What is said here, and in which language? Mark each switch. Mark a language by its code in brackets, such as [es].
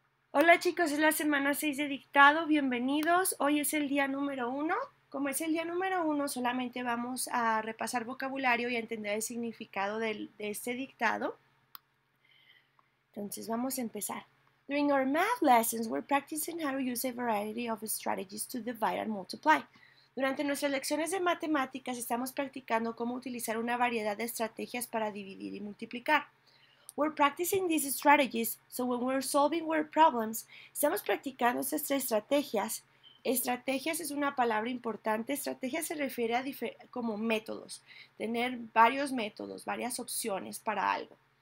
[es] Hola chicos, es la semana 6 de dictado, bienvenidos. Hoy es el día número 1. Como es el día número 1, solamente vamos a repasar vocabulario y a entender el significado de este dictado. Entonces vamos a empezar. [en] During our math lessons, we're practicing how to use a variety of strategies to divide and multiply. [es] Durante nuestras lecciones de matemáticas, estamos practicando cómo utilizar una variedad de estrategias para dividir y multiplicar. [en] We're practicing these strategies, so when we're solving word problems, [es] estamos practicando estas estrategias. Estrategias es una palabra importante. Estrategia se refiere a como métodos, tener varios métodos, varias opciones para algo.